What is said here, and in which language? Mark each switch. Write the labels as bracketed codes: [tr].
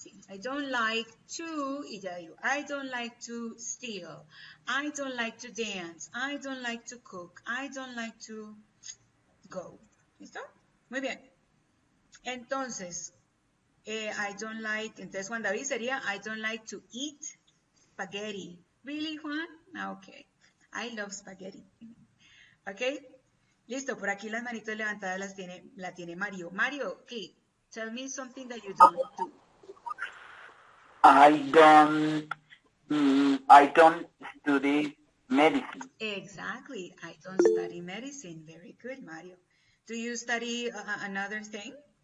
[en] I don't like to, [es] y ya digo, [en] I don't like to steal, I don't like to dance, I don't like to cook, I don't like to go. [es] ¿Listo? Muy bien. Entonces, [en] I don't like, [es] entonces [en] Juan David [es] sería, [en] I don't like to eat spaghetti. ¿Really, Juan? Okay. I love spaghetti. Okay. [es] Listo, por aquí las manitos levantadas las tiene, la tiene Mario. [en] Mario, okay, tell me something that you don't do. I don't study medicine. Exactly. I don't study medicine. Very good, Mario. Do you study another thing?